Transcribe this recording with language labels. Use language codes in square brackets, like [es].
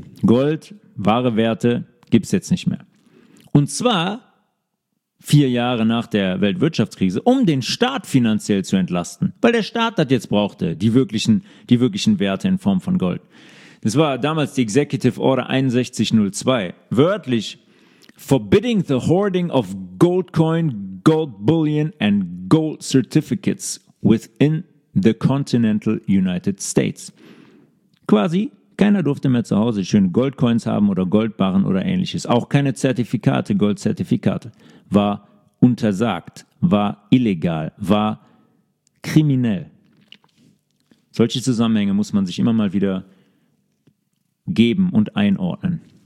[de] Gold, wahre Werte, gibt es jetzt nicht mehr. Und zwar 4 Jahre nach der Weltwirtschaftskrise, um den Staat finanziell zu entlasten, weil der Staat das jetzt brauchte, die wirklichen Werte in Form von Gold. Das war damals die Executive Order 6102. Wörtlich: [en] Forbidding the hoarding of gold coin, gold bullion and gold certificates within the continental United States. [de] Quasi Keiner durfte mehr zu Hause schöne Goldcoins haben oder Goldbarren oder ähnliches. Auch keine Zertifikate, Goldzertifikate. War untersagt, war illegal, war kriminell. Solche Zusammenhänge muss man sich immer mal wieder geben und einordnen.